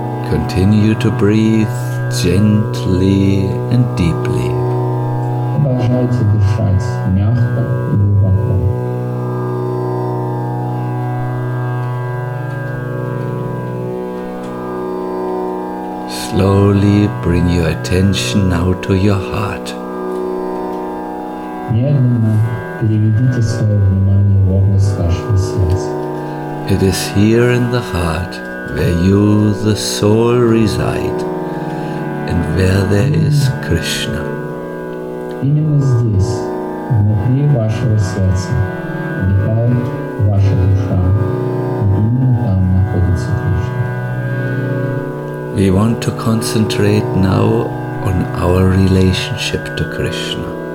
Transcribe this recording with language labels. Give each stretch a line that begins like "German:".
English: Continue to breathe gently and deeply.
Russian: Продолжайте дышать мягко и глубоко.
English: Slowly bring your attention now to your heart.
Russian: Медленно переведите свое внимание в область вашего сердца.
English: It is here in the heart where you, the soul, reside and where there is Krishna.
Russian: Именно здесь, внутри вашего сердца, обитает ваша душа. Именно там находится Кришна.
English: We want to concentrate now on our relationship to Krishna.